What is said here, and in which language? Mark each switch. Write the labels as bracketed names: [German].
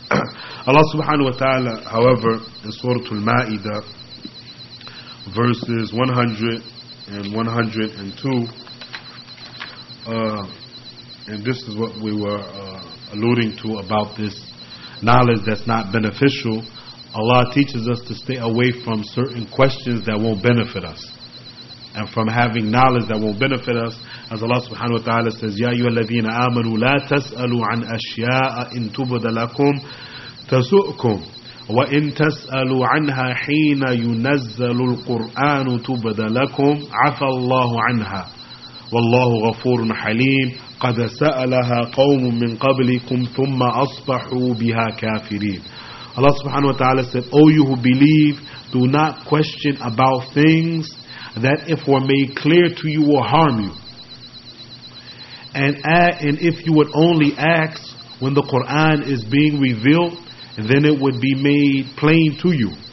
[English] Allah subhanahu wa ta'ala, however, in Surah Al-Ma'idah, verses 100 and 102, and this is what we were alluding to about this knowledge that's not beneficial. Allah teaches us to stay away from certain questions that won't benefit us, and from having knowledge that won't benefit us. As Allah subhanahu wa ta'ala says, [Arabic] يَا أَيُّهَا الَّذِينَ آمَنُوا لَا تَسْأَلُوا عَنْ أَشْيَاءَ إِن تُبْدَ لَكُمْ تَسُؤْكُمْ وَإِن تَسْأَلُوا عَنْهَا حِينَ يُنَزَّلُ الْقُرْآنُ تُبْدَ لَكُمْ عَفَى اللَّهُ عَنْهَا وَاللَّهُ غَفُورٌ حَلِيمٌ قَدَ سَأَلَهَا قَوْمٌ مِّن قَبْلِكُمْ ثُمَّ أَصْبَحُوا بِهَا كَافِرِينَ. [English] Allah subhanahu wa ta'ala said, O you who believe, do not question about things that if were made clear to you will harm you. And if you would only ask when the Quran is being revealed, then it would be made plain to you.